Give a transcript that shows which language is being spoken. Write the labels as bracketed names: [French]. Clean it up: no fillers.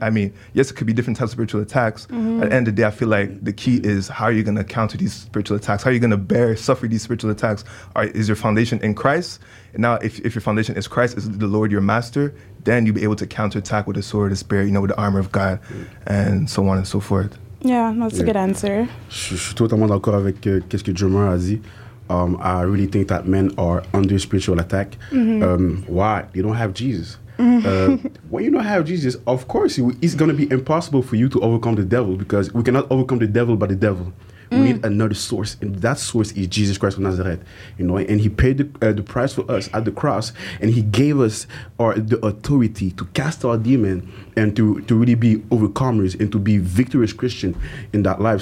[English] I mean, yes, it could be different types of spiritual attacks. Mm-hmm. At the end of the day, I feel like the key is how are you going to counter these spiritual attacks? How are you going to bear, suffer these spiritual attacks? Is your foundation in Christ? Now, if your foundation is Christ, is the Lord your master, then you'll be able to counterattack with the sword, the spirit, you know, with the armor of God, and so on and so forth. Yeah, that's a good answer. [French] Je suis totalement d'accord avec qu'est-ce que Jermaine a dit. [English] I really think that men are under spiritual attack. Mm-hmm. Why? They don't have Jesus. when you don't have Jesus, of course, it's going to be impossible for you to overcome the devil, because we cannot overcome the devil by the devil. Mm. We need another source, and that source is Jesus Christ of Nazareth. You know, and he paid the price for us at the cross, and he gave us the authority to cast out demons and to really be overcomers and to be victorious Christian in that life.